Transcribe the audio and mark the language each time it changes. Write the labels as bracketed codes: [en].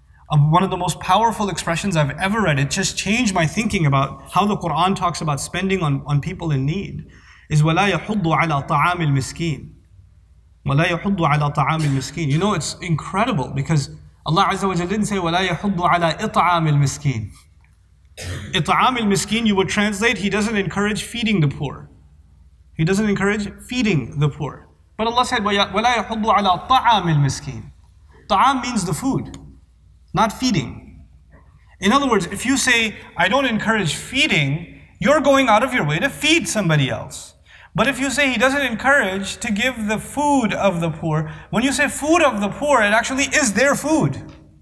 [en] One of the most powerful expressions I've ever read, it just changed my thinking about how the Quran talks about spending on people in need, is [ar] وَلَا يَحُضُّ عَلَى طَعَامِ الْمِسْكِينَ. وَلَا يَحُضُّ عَلَى طَعَامِ الْمِسْكِينَ. [en] You know, it's incredible because Allah Azza wa Jalla didn't say [ar] وَلَا يَحُضُّ عَلَى إِطْعَامِ الْمِسْكِينَ. إِطْعَامِ الْمِسْكِينَ, [en] you would translate, he doesn't encourage feeding the poor. He doesn't encourage feeding the poor. But Allah said, [ar] وَلَا يَحُضُّ عَلَى طَعَامِ الْمِسْكِينَ. [en] طَعَام means the food, not feeding. In other words, if you say, I don't encourage feeding, you're going out of your way to feed somebody else. But if you say, he doesn't encourage to give the food of the poor, when you say food of the poor, it actually is their food.